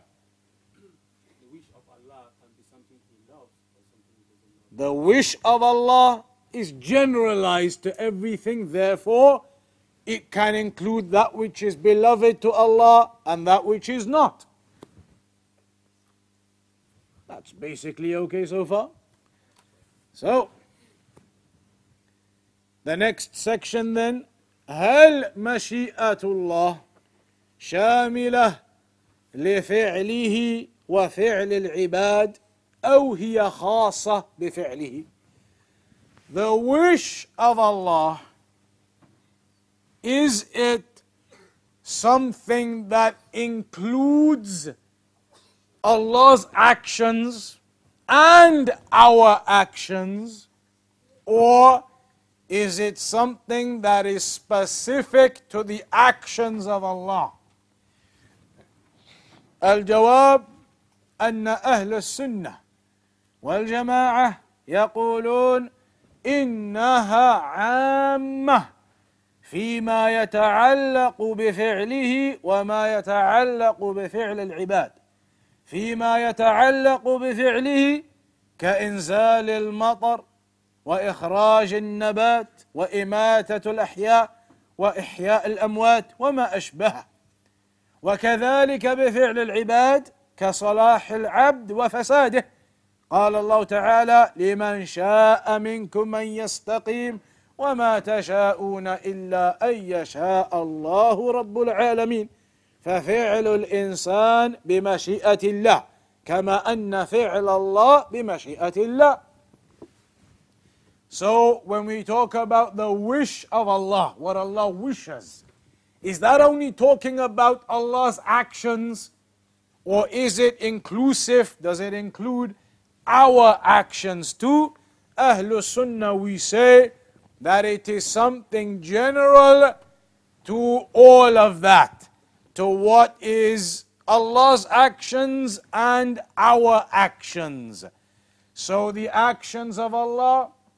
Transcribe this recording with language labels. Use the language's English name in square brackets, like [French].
[English] The wish of Allah can be something he loves or something he doesn't love. The wish of Allah is generalized to everything, therefore it can include that which is beloved to Allah and that which is not. That's basically okay so far. So, the next section then, [Arabic] هل مشيئة الله شاملة لفعله وفعل العباد أو هي خاصة بفعله? [English] The wish of Allah, is it something that includes Allah's actions and our actions, or is it something that is specific to the actions of Allah? [Arabic] Al-jawab anna ahl as-sunnah wal jama'ah yaqulun innaha 'ammah فيما يتعلق بفعله وما يتعلق بفعل العباد فيما يتعلق بفعله كإنزال المطر وإخراج النبات وإماتة الأحياء وإحياء الأموات وما أشبهه وكذلك بفعل العباد كصلاح العبد وفساده قال الله تعالى لمن شاء منكم أن يستقيم وما تشاءون إلا أن يشاء الله رب العالمين ففعل الإنسان بمشيئة الله كما أن فعل الله بمشيئة الله. [English] So when we talk about the wish of Allah, what Allah wishes, is that only talking about Allah's actions, or is it inclusive? Does it include our actions too? Ahlu Sunnah, we say that it is something general to all of that, to what is Allah's actions and our actions. So the actions of Allah,